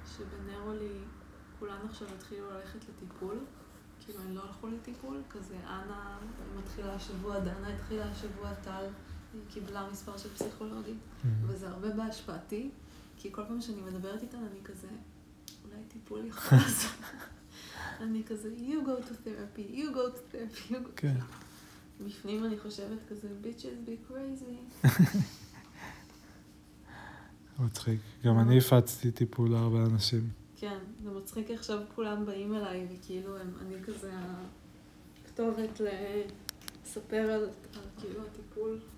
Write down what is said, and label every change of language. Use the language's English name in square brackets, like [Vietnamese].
[Hebrew] שבנרולי כולן עכשיו התחילו ללכת לטיפול, כאילו הן לא הלכו לטיפול, כזה אנה מתחילה השבוע, דנה התחילה השבוע, טל, היא קיבלה מספר של פסיכולוגי, וזה הרבה בהשפעתי, כי כל פעם שאני מדברת איתן אני כזה, אולי טיפול יכול לעשות. אני כזה, [English] you go to therapy, you go to therapy, you go to therapy. [Hebrew] כן. בפנים אני חושבת כזה, [English] bitches be crazy. [Hebrew] מצחיק. גם אני הפצתי טיפול להרבה אנשים. כן, זה מצחיק עכשיו כולם באים אליי, וכאילו אני כזה הכתובת לספר על כאילו הטיפול.